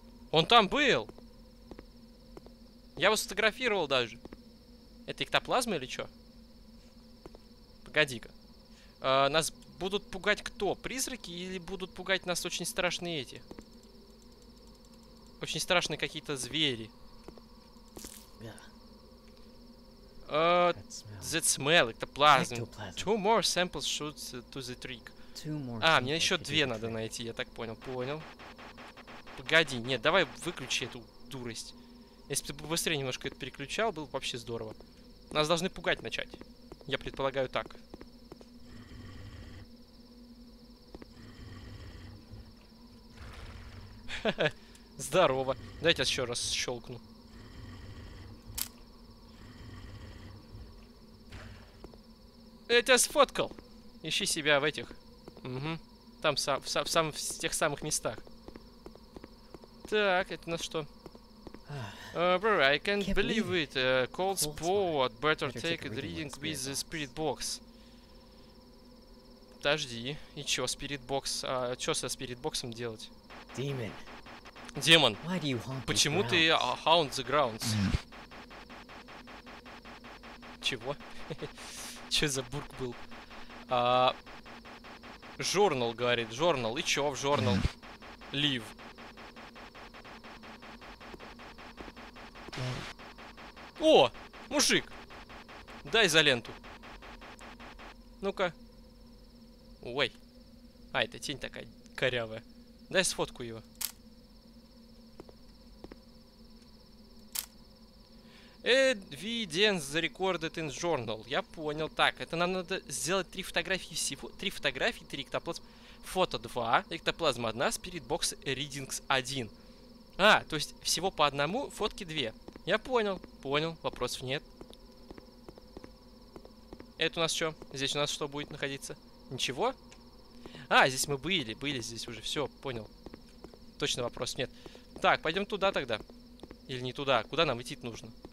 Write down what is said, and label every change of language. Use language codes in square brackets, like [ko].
[ru] Он там был! Я его сфотографировал даже. Это эктоплазма или что? Погоди-ка. Нас будут пугать кто? Призраки или будут пугать нас очень страшные эти? Очень страшные какие-то звери. [en] That smell, эктоплазма. Two more samples should to the trick. [ru] Мне еще две надо найти, я так понял. Понял. Погоди, нет, давай выключи эту дурость. Если бы ты быстрее немножко это переключал, было бы вообще здорово. Нас должны пугать начать. Я предполагаю так. Здорово. Дайте я еще раз щелкну. Я тебя сфоткал. Ищи себя в этих. Угу. Там, в тех самых местах. Так, это у нас что? [en] Bro, I can't believe it. Cold spot. Better take a reading with the spirit box. [ru] Подожди. И чё, spirit box? А чё со spirit box'ом делать? [en] Demon. [ru] Демон. Почему ты [en] haunt the grounds? [ru] Чего? Че за бург был? Журнал, говорит, журнал. И чё в журнал? Лив. О! Мужик! Дай за ленту. Ну-ка. Ой. А, это тень такая корявая. Дай сфотку его. [en] Evidence recorded in journal. [ru] Я понял. Так, это нам надо сделать три фотографии всего. Три фотографии, три эктоплазмы. [en] Фото 2, эктоплазма 1, Spirit Box Readings 1. [ru] А, то есть всего по одному, фотки 2. Я понял. Понял, вопросов нет. Это у нас что? Здесь у нас что будет находиться? Ничего? А, здесь мы были. Были здесь уже. Все, понял. Точно вопросов нет. Так, пойдем туда тогда. Или не туда. Куда нам идти нужно?